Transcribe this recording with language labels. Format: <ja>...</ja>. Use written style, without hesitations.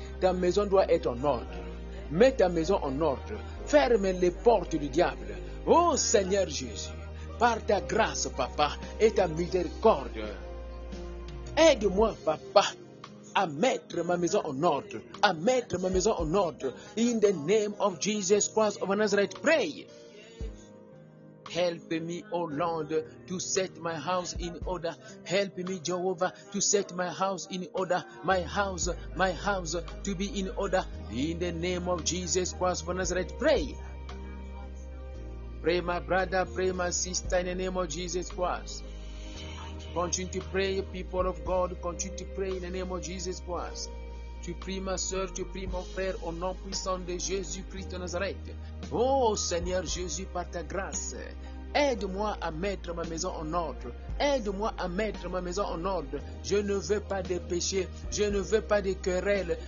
<fr>Ta maison doit être en ordre. Mets ta maison en ordre. Ferme les portes du diable. Ô Seigneur Jésus, par ta grâce, papa, et ta miséricorde, aide-moi, papa, à mettre ma maison en ordre, à mettre ma maison en ordre.</fr> <en>In the name of Jesus Christ of Nazareth, pray. Help me, O Lord, to set my house in order. Help me, Jehovah, to set my house in order. My house, to be in order. In the name of Jesus Christ of Nazareth, pray. Pray, my brother, pray, my sister, in the name of Jesus Christ. Continue to pray, people of God, continue to pray in the name of Jesus Christ.</en> <fr>Tu pries, ma soeur, tu pries, mon frère, au nom puissant de Jésus-Christ de Nazareth. Oh Seigneur Jésus, par ta grâce, aide-moi à mettre ma maison en ordre. Aide-moi à mettre ma maison en ordre. Je ne veux pas de péché. Je ne veux pas de querelles.</fr>